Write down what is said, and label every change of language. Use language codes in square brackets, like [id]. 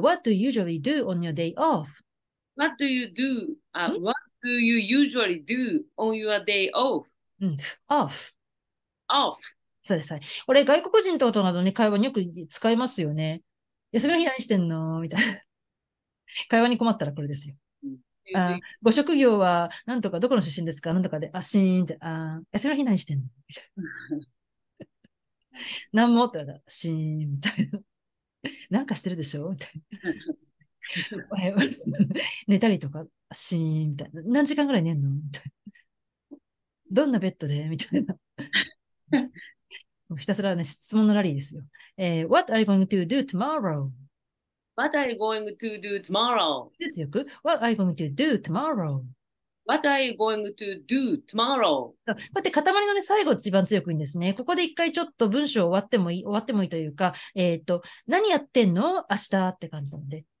[en] What do you usually do on your day off? What do you do?、What do you usually do on your day off?、 Off. Off. [ja] そうですね。これ外国人等々などね、会話によく使いますよね。休みの日何してんのみたいな。会話に困ったらこれですよ。ご職業は何とかどこの出身ですか何とかで、あ、シーンって、あ、休みの日何してんの何もって言われたら、シーンみたいな。なんかしてるでしょみたいな。寝たりとか、シーンみたいな。何時間ぐらい寝んのみたいな。どんなベッドでみたいな。ひたすらね、質問のラリーですよ。 [en] What are you going to do tomorrow?What are you going to do tomorrow? [ja] 強く。 [en] What are you going to do tomorrow?What are you going to do tomorrow? [ja] こうやって塊のね、最後一番強くいいんですね。ここで一回ちょっと文章終わってもいいというか、何やってんの明日って感じなので。